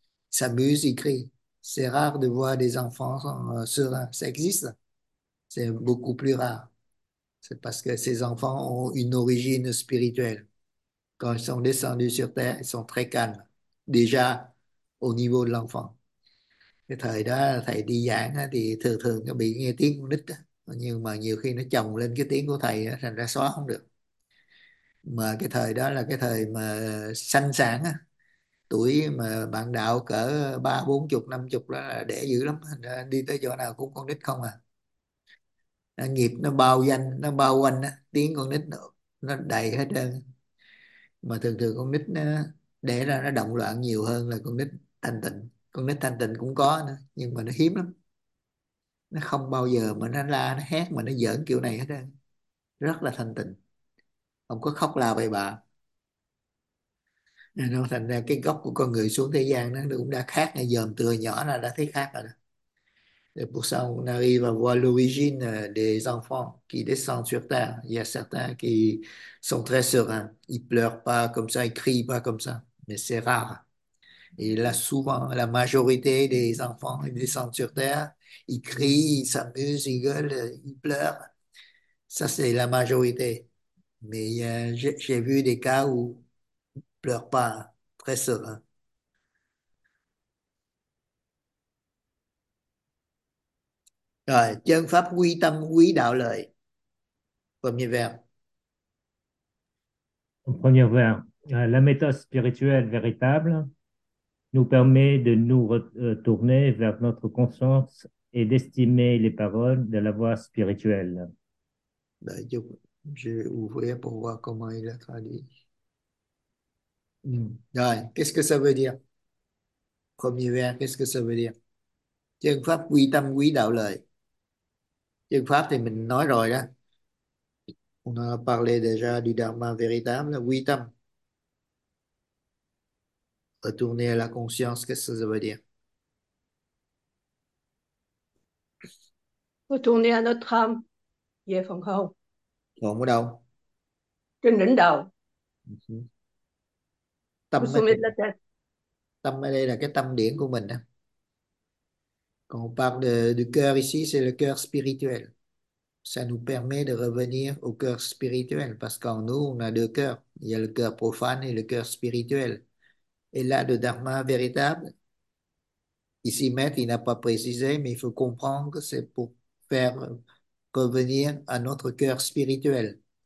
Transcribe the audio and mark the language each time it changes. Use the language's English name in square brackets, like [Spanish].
[French] S'amusent, ils crient. C'est rare de voir des enfants sereins. Ça existe. C'est beaucoup plus rare. C'est parce que ces enfants ont une origine spirituelle. Quand ils sont descendus sur Terre, ils sont très calmes. Déjà, au niveau de l'enfant. [Vietnamese] Cái thời đó thầy đi giảng thì thường thường nó bị nghe tiếng con nít, nhưng mà nhiều khi nó chồng lên cái tiếng của thầy thành ra xóa không được. Mà cái thời đó là cái thời mà sanh sản, tuổi mà bạn đạo cỡ ba bốn chục năm chục đó là đẻ dữ lắm, thành ra đi tới chỗ nào cũng con nít không à. Nó nghiệp nó bao danh nó bao quanh, tiếng con nít nó đầy hết trơn. Mà thường thường con nít nó đẻ ra nó động loạn nhiều hơn là con nít thanh tịnh. Con nít thanh tịnh cũng có nữa, nhưng mà nó hiếm lắm. Nó không bao giờ mà nó la, nó hét, mà nó giỡn kiểu này hết trơn. Rất là thanh tịnh. Không có khóc la bậy bạ. Nên nó thành ra cái gốc của con người xuống thế gian nó cũng đã khác. Ngày dòm từ nhỏ là đã thấy khác rồi. [French] Et pour ça, on arrive à voir l'origine des enfants qui descendent sur Terre. Il y a certains qui sont très sereins. Ils pleurent pas comme ça, ils crient pas comme ça. Mais c'est rare. Et là, souvent, la majorité des enfants, ils descendent sur Terre, ils crient, ils s'amusent, ils gueulent, ils pleurent. Ça, c'est la majorité. Mais j'ai vu des cas où ils pleurent pas, très sereins. [Vietnamese] Rồi, chân pháp quy tâm, quý đạo lợi. [French] Premier vers. Premier vers, la méthode spirituelle véritable nous permet de nous retourner vers notre conscience et d'estimer les paroles de la voix spirituelle. Je vais ouvrir pour voir comment il a traduit. Ouais, qu'est-ce que ça veut dire? Premier vers, qu'est-ce que ça veut dire? [Vietnamese] Chân pháp quy tâm quy đạo lời. Chân pháp thì mình nói rồi đó. [French] On a parlé déjà du dharma véritable, quy tâm. Retourner à la conscience, qu'est-ce que ça veut dire? Retourner à notre âme. [Vietnamese] Về phần không? Còn ở đâu? Trên đỉnh đầu. Au Tâm ở [French] sommet [Vietnamese] trên [French] de la tête. [Vietnamese] tâm ở đây là cái tâm điển của mình đó. [French] Quand on parle du cœur ici, c'est le cœur spirituel. Ça nous permet de revenir au cœur spirituel parce qu'en nous, on a deux cœurs. Il y a le cœur profane et le cœur spirituel. Et là, le dharma véritable, ici maître, il n'a pas précisé, mais il faut comprendre que c'est pour faire revenir à notre cœur spirituel.